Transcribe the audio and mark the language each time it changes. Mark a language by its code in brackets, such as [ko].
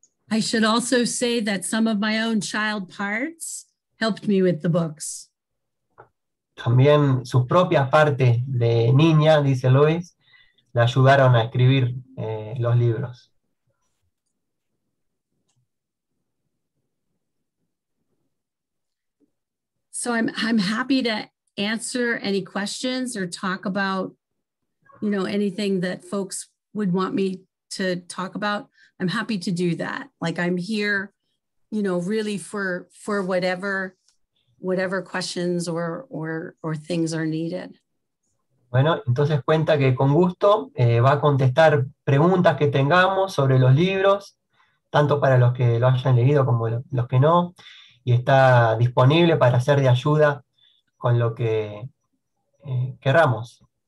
[en] I should also say that some of my own child parts helped me with the books. [es] También sus propias partes de niña, dice Luis, le ayudaron a escribir los libros. [en] So I'm happy to answer any questions or talk about, you know, anything that folks would want me to talk about. I'm happy to do that. Like I'm here, you know, really for whatever questions or things are needed. [es] Bueno, entonces cuenta que con gusto va a contestar preguntas que tengamos sobre los libros, tanto para los que lo hayan leído como los que no, y está disponible para ser de ayuda con lo que queramos.